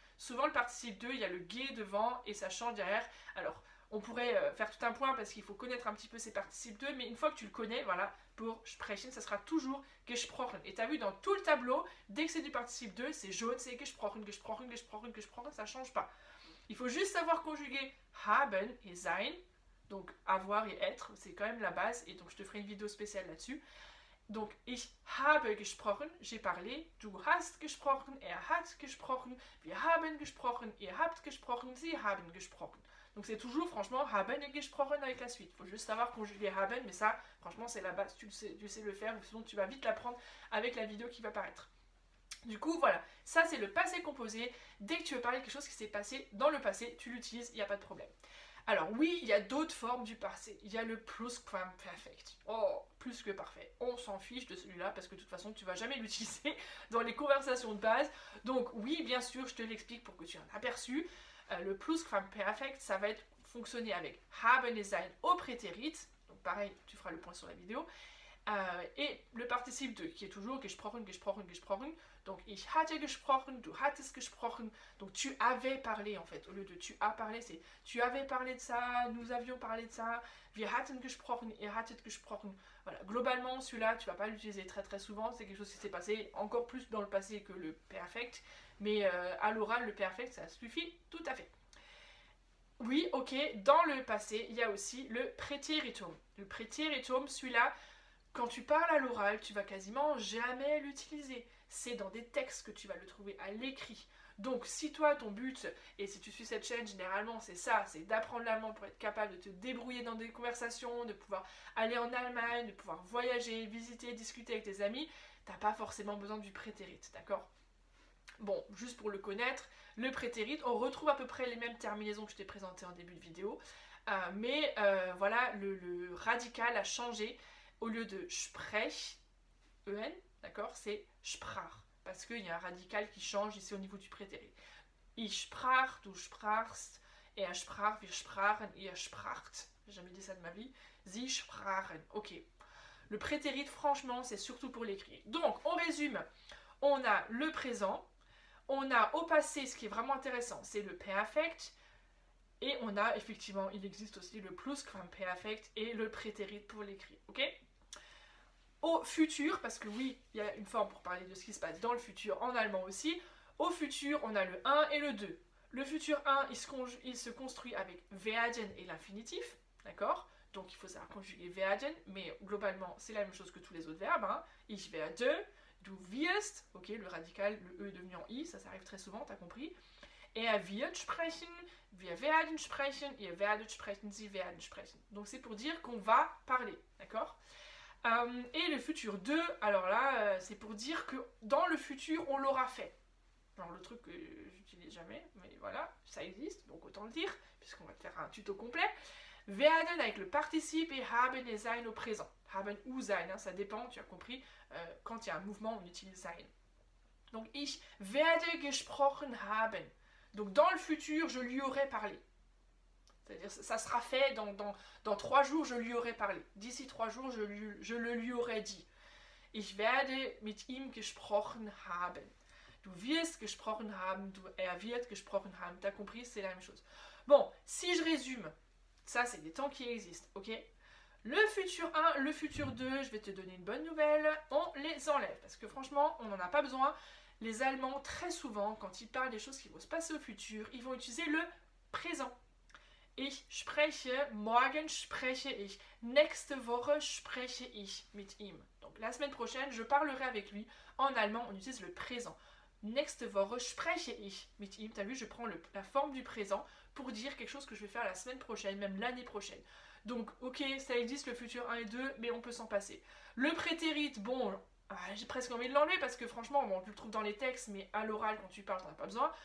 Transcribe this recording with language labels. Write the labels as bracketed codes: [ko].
[fr] Souvent, le participe de, il y a le ge devant et ça change derrière. Alors, on pourrait faire tout un point parce qu'il faut connaître un petit peu ces participes de, mais une fois que tu le connais, voilà, pour sprechen, ça sera toujours gesprochen. Et tu as vu dans tout le tableau, dès que c'est du participe de, c'est jaune, c'est gesprochen, gesprochen, gesprochen, gesprochen, ça change pas. Il faut juste savoir conjuguer haben et sein. Donc avoir et être, c'est quand même la base, et donc je te ferai une vidéo spéciale là-dessus. [de] Donc ich habe gesprochen, [fr] j'ai parlé, [de] du hast gesprochen, er hat gesprochen, wir haben gesprochen, ihr habt gesprochen, sie haben gesprochen. [fr] Donc c'est toujours franchement haben et gesprochen avec la suite. Il faut juste savoir conjuguer haben, mais ça franchement c'est la base, tu sais le faire, sinon tu vas vite l'apprendre avec la vidéo qui va paraître. Du coup voilà, ça c'est le passé composé, dès que tu veux parler de quelque chose qui s'est passé dans le passé, tu l'utilises, il n'y a pas de problème. Alors oui, il y a d'autres formes du passé. Il y a le plusquamperfect. Oh, plus que parfait. On s'en fiche de celui-là parce que de toute façon, tu vas jamais l'utiliser dans les conversations de base. Donc oui, bien sûr, je te l'explique pour que tu aies un aperçu. Le plusquamperfect, ça va être fonctionner avec haben et sein au prétérit. Donc pareil, tu feras le point sur la vidéo. Et le participe de, qui est toujours gesprochen, gesprochen, gesprochen. [de] Donc ich hatte gesprochen, du hattest gesprochen. [fr] Donc tu avais parlé en fait. Au lieu de tu as parlé, c'est tu avais parlé de ça, nous avions parlé de ça. [de] Wir hatten gesprochen, ihr hattet gesprochen. [fr] Voilà, globalement celui-là tu vas pas l'utiliser très très souvent. C'est quelque chose qui s'est passé encore plus dans le passé que le perfect. Mais à l'oral le perfect ça suffit tout à fait. Oui, ok, dans le passé il y a aussi le préteritum. Le préteritum, celui-là, quand tu parles à l'oral, tu vas quasiment jamais l'utiliser. C'est dans des textes que tu vas le trouver à l'écrit. Donc si toi ton but, et si tu suis cette chaîne, généralement c'est ça, c'est d'apprendre l'allemand pour être capable de te débrouiller dans des conversations, de pouvoir aller en Allemagne, de pouvoir voyager, visiter, discuter avec tes amis, t'as pas forcément besoin du prétérit, d'accord? Bon, juste pour le connaître, le prétérit, on retrouve à peu près les mêmes terminaisons que je t'ai présentées en début de vidéo, mais voilà, le radical a changé. Au lieu de sprech, en, d'accord, c'est sprach, parce qu'il y a un radical qui change ici au niveau du prétérit. [de] Ich sprach, du sprachst, er sprach, wir sprachen, ihr spracht. [fr] J'ai jamais dit ça de ma vie. [de] Sie sprachen. [fr] Ok. Le prétérit, franchement, c'est surtout pour l'écrit. Donc, on résume. On a le présent, on a au passé, ce qui est vraiment intéressant, c'est le perfect. Et on a effectivement, il existe aussi le plusquamperfect et le prétérit pour l'écrit, ok? Au futur, parce que oui, il y a une forme pour parler de ce qui se passe dans le futur en allemand aussi. Au futur, on a le 1 et le 2. Le futur 1, il se construit avec werden et l'infinitif, d'accord? Donc il faut savoir conjuguer werden, mais globalement, c'est la même chose que tous les autres verbes, hein? [de] Ich werde, du wirst, [fr] ok? Le radical, le E devenu en I, ça arrive très souvent, t'as compris? [de] Er wird sprechen, wir werden sprechen, ihr werdet sprechen, sie werden sprechen. [fr] Donc c'est pour dire qu'on va parler, d'accord? Et le futur 2, alors là, c'est pour dire que dans le futur, on l'aura fait. Genre le truc que j'utilise jamais, mais voilà, ça existe, donc autant le dire, puisqu'on va faire un tuto complet. Werden avec le participe et haben et sein au présent. Haben ou sein, hein, ça dépend, tu as compris, quand il y a un mouvement, on utilise sein. [de] Donc ich werde gesprochen haben. [fr] Donc dans le futur, je lui aurais parlé. C'est-à-dire, ça sera fait dans 3 jours, je lui aurais parlé. D'ici 3 jours, je le lui aurais dit. [de] Ich werde mit ihm gesprochen haben. Du wirst gesprochen haben, er wird gesprochen haben. [fr] T'as compris, c'est la même chose. Bon, si je résume, ça c'est des temps qui existent, ok? Le futur 1, le futur 2, je vais te donner une bonne nouvelle. On les enlève, parce que franchement, on n'en a pas besoin. Les Allemands, très souvent, quand ils parlent des choses qui vont se passer au futur, ils vont utiliser le présent. [de] Ich spreche, morgen spreche ich, nächste Woche spreche ich mit ihm. [fr] Donc la semaine prochaine, je parlerai avec lui. En allemand, on utilise le présent. [de] Nächste Woche spreche ich mit ihm. [fr] T'as vu, je prends la forme du présent pour dire quelque chose que je vais faire la semaine prochaine, même l'année prochaine. Donc, ok, ça existe le futur 1 et 2, mais on peut s'en passer. Le prétérit, bon, j'ai presque envie de l'enlever parce que franchement, bon, tu le trouves dans les textes, mais à l'oral, quand tu parles, t'en as pas besoin.